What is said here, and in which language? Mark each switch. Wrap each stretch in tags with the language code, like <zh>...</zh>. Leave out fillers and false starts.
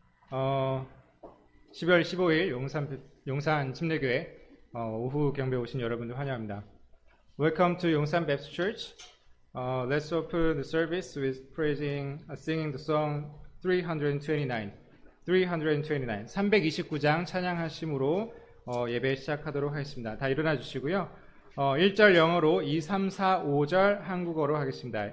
<ko>12월 15일 용산 침례교회 오후 경배 오신 여러분들 환영합니다.</ko> <en>Welcome to Yongsan Baptist Church. Let's open the service with singing the song 329.</en> <ko>329장 찬양하심으로 예배 시작하도록 하겠습니다. 다 일어나 주시고요. 1절 영어로 2, 3, 4, 5절 한국어로 하겠습니다.</ko>